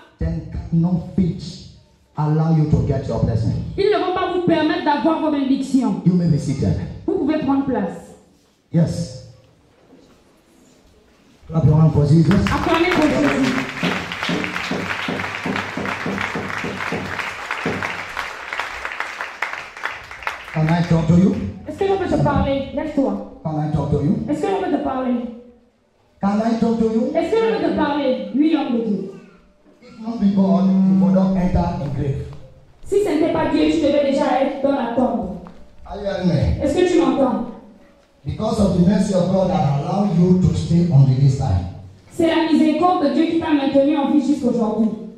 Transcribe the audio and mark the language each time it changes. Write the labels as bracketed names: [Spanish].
[English] then cannot fit allow you to get your blessing. [French] Ils ne vont pas vous permettre d'avoir vos bénédictions. [English] You may be seated. [French] Vous pouvez prendre place. [English] Yes. Clap your hand for Jesus. [French] Acclamez pour Jésus. [English] Can I talk to you? [French] Est-ce que l'on peut te parler? Lève-toi. [English] Can I talk to you? [French] Est-ce que l'on peut te parler? [English] Can I talk to you? [French] Est-ce que l'on peut te parler? Lui, homme de Dieu. [English] If not be born, you would not enter in grave. [French] Si ce n'était pas Dieu, tu devais déjà être dans la tombe. [English] Are you hearing me? [French] Est-ce que tu m'entends? [English] Because of the mercy of God that allowed you to stay on this time. [French] C'est la miséricorde de Dieu qui t'a maintenu en vie jusqu'aujourd'hui.